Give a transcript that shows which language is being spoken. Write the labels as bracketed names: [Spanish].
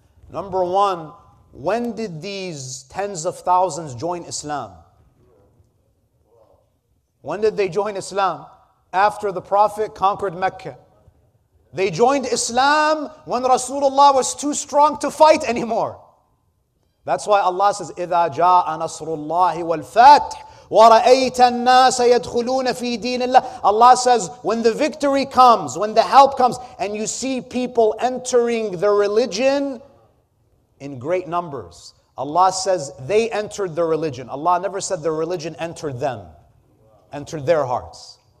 [English] Number one, when did these tens of thousands join Islam? When did they join Islam? After the Prophet conquered Mecca. They joined Islam when Rasulullah was too strong to fight anymore. That's why Allah says, [Arabic] إِذَا جَاءَ نَصْرُ اللَّهِ وَالْفَاتْحِ وَرَأَيْتَ النَّاسَ يَدْخُلُونَ فِي دِينِ اللَّهِ. [English] Allah says, when the victory comes, when the help comes, and you see people entering the religion in great numbers. Allah says, they entered the religion. Allah never said the religion entered them, entered their hearts.